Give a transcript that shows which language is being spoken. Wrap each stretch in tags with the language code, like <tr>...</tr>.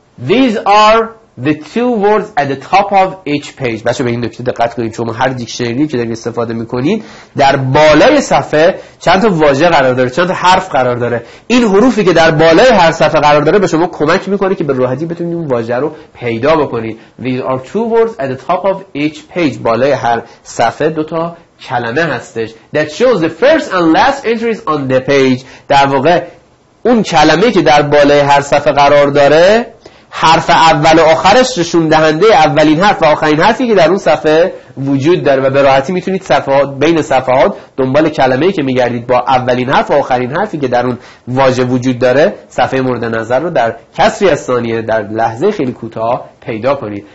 <en>These are the two words at the top of each page.</en> <fa>بچه به این نکته دقت کنید، چون هر دیکشنری که دارید استفاده میکنید در بالای صفحه چند تا واژه قرار داره، چند تا حرف قرار داره. این حروفی که در بالای هر صفحه قرار داره به شما کمک میکنه که به راحتی بتونید اون واژه رو پیدا بکنید.</fa> <en>These are two words at the top of each page.</en> <fa>بالای هر صفحه دوتا کلمه هستش.</fa> <en>That shows the first and last entries on the page.</en> <fa>در واقع اون کلمه که در بالای هر صفحه قرار داره، حرف اول و آخرش نشون دهنده اولین حرف و آخرین حرفی که در اون صفحه وجود داره و به راحتی میتونید صفحات بین صفحات دنبال کلمه‌ای که میگردید با اولین حرف و آخرین حرفی که در اون واژه وجود داره، صفحه مورد نظر رو در کسری از ثانیه، در لحظه خیلی کوتاه پیدا کنید.</fa>